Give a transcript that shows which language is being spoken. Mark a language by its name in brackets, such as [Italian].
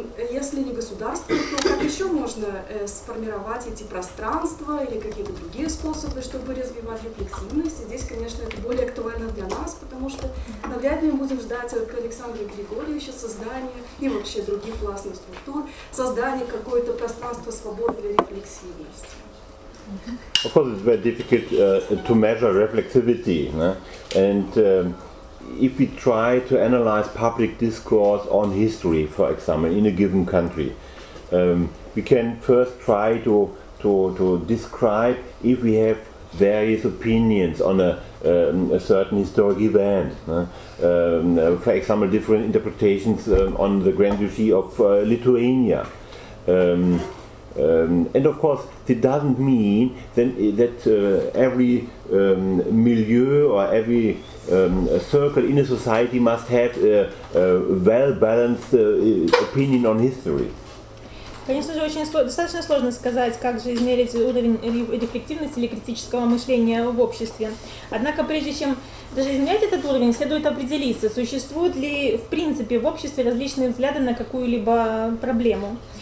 [Russian] Если не государство, то как еще можно сформировать эти пространства или какие-то другие способы, чтобы развивать рефлексивность? И здесь, конечно, это более актуально для нас, потому что навряд ли мы будем ждать от Александра Григорьевича создания и вообще других властных структур, создания какого-то пространства свободы для рефлексивности. [English] Of course, it's very difficult to measure reflexivity, no? And if we try to analyze public discourse on history, for example, in a given country, we can first try to describe if we have various opinions on a certain historic event. For example, different interpretations on the Grand Duchy of Lithuania. And of course, it doesn't mean then that every milieu or every circle in a society must have a well-balanced opinion on history. [Russian] Конечно же, достаточно сложно сказать, как же измерить уровень рефлективности или критического мышления в обществе. Однако, прежде чем даже измерять этот уровень, следует определиться, существуют ли в принципе в обществе различные взгляды на какую-либо проблему.